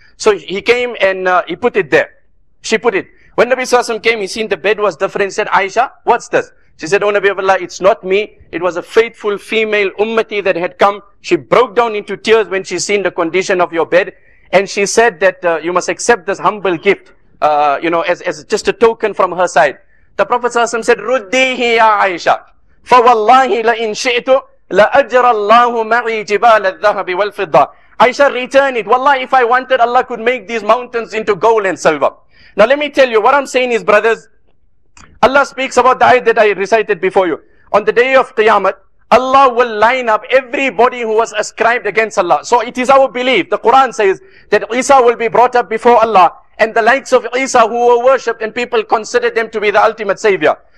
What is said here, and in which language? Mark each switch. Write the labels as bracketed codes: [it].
[en] So he came and he put it there. She put it. When Nabi Sallallahu Alaihi Wasallam came, he seen the bed was different. He said, Aisha, what's this? She said, O Nabi of Allah, it's not me. It was a faithful female ummati that had come. She broke down into tears when she seen the condition of your bed. And she said that you must accept this humble gift, as just a token from her side. The Prophet ﷺ said, [ar] رُدِّيهِ يَا عَيْشَىٰ فَوَاللَّهِ لَإِنْ شِئْتُ لَأَجْرَ اللَّهُ مَعِي جِبَالَ الذَّهَبِ وَالْفِضَّةِ. [en] Aisha, return it. Wallah, if I wanted, Allah could make these mountains into gold and silver. Now let me tell you, what I'm saying is, brothers, Allah speaks about the ayah that I recited before you. On the day of Qiyamah, Allah will line up everybody who was ascribed against Allah. So it is our belief, the Quran says, that Isa will be brought up before Allah, and the likes of Isa who were worshipped and people considered them to be the ultimate savior.